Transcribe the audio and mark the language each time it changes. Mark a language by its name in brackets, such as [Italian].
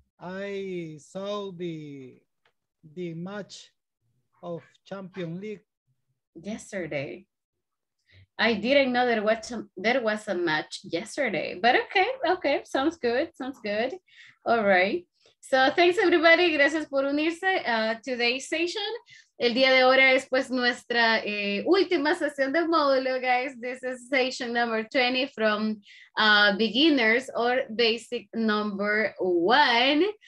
[English] I saw the match of Champions League yesterday. I didn't know there was a match yesterday, but okay, sounds good. All right, so thanks everybody, [Spanish] gracias por unirse a [English] today's session. [Spanish] El día de ahora es pues nuestra última sesión de módulo, guys. [English] This is session number 20 from beginners or basic number one.